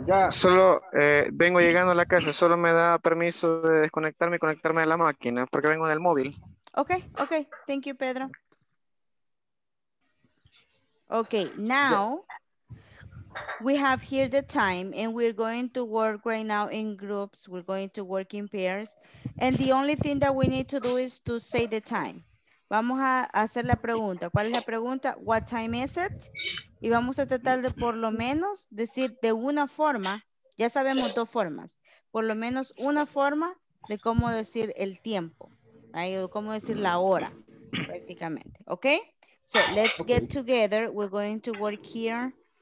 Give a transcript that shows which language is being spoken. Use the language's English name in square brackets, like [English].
[Spanish] solo vengo llegando a la casa, solo me da permiso de desconectarme y conectarme a la máquina porque vengo en el móvil. [English] Ok, thank you, Pedro. Ok, now we have here the time and we're going to work right now in groups, we're going to work in pairs and the only thing that we need to do is to say the time. [Spanish] Vamos a hacer la pregunta. ¿Cuál es la pregunta? [English] What time is it? [Spanish] Y vamos a tratar de por lo menos decir de una forma, ya sabemos dos formas, por lo menos una forma de cómo decir el tiempo, [English] right? [Spanish] O cómo decir la hora, prácticamente. [English] ¿Ok? So let's get together. We're going to work here.